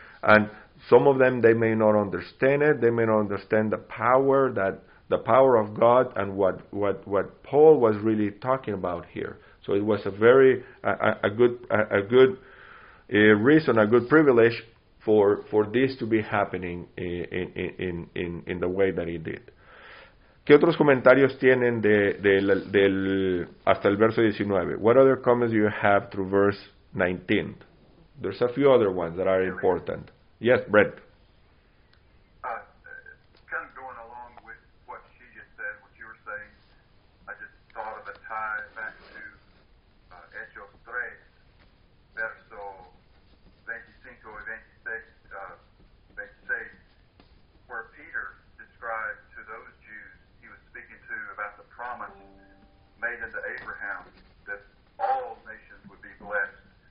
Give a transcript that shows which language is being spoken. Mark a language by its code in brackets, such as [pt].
[en] And some of them, they may not understand it. They may not understand the power of God and what Paul was really talking about here. So it was a good privilege for this to be happening in the way that it did. [es] ¿Qué otros comentarios tienen del hasta el verso 19? [en] What other comments do you have through verse 19? There's a few other ones that are important. Yes, Brett. Kind of going along with what she just said, what you were saying, I just thought of a tie back to [es] Hechos 3, verso 25 y 26, [en] where Peter described to those Jews he was speaking to about the promise made unto Abraham that all nations would be blessed.